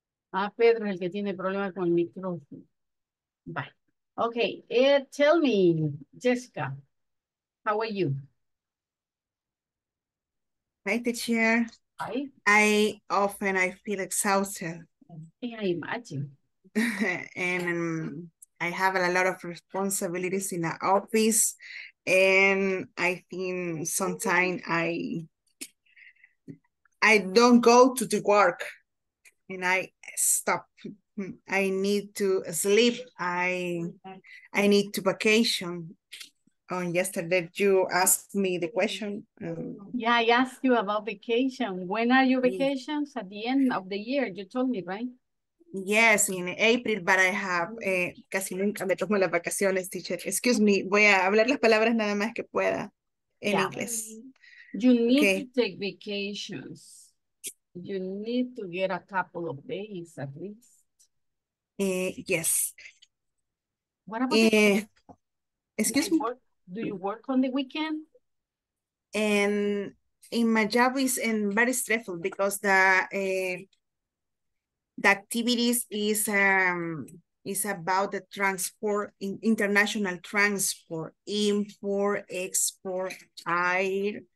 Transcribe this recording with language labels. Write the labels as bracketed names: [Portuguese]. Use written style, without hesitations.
[Spanish] Ah, Pedro es el que tiene problema con el micrófono. [English] Bye. Okay, tell me, Jessica, how are you? Good. Hi, teacher. Hi. I often feel exhausted. Yeah, I imagine. And I have a lot of responsibilities in the office, and I think sometimes I don't go to the work, and I stop. I need to sleep. I need to vacation. On yesterday, you asked me the question. Yeah, I asked you about vacation. When are your vacations? At the end of the year, you told me, right? Yes, in April, but I have [Spanish] casi nunca me tomo las vacaciones, [English] teacher. Excuse me, [Spanish] voy a hablar las palabras nada más que pueda en yeah. inglés. [English] You need okay. to take vacations. You need to get a couple of days at least. Yes. What about excuse me? Do you work on the weekend? And in my job is and very stressful because the activities is about the transport, international transport, import, export, air,